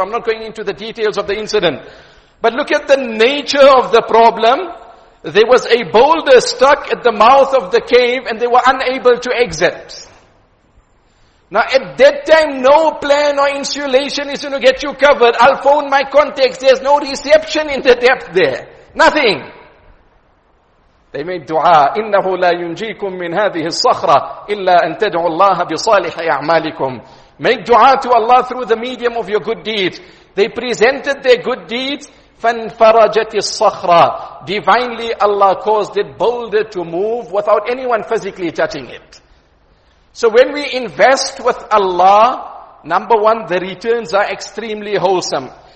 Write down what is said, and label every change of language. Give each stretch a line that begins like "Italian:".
English: I'm not going into the details of the incident. But look at the nature of the problem. There was a boulder stuck at the mouth of the cave and they were unable to exit. Now at that time, no plan or insulation is going to get you covered. I'll phone my contacts. There's no reception in the depth there. Nothing. They made dua,
Arabic: إِنَّهُ لَا يُنْجِيكُمْ مِنْ هَذِهِ الصَّخْرَةِ إِلَّا أَن تَدْعُوا اللَّهَ بِصَالِحِ أَعْمَالِكُمْ.
English: Make dua to Allah through the medium of your good deeds. They presented their good deeds.
Arabic: فَانْفَرَجَتِ الصَّخْرَةِ.
English: Divinely Allah caused it boulder to move without anyone physically touching it. So when we invest with Allah, number one, the returns are extremely wholesome.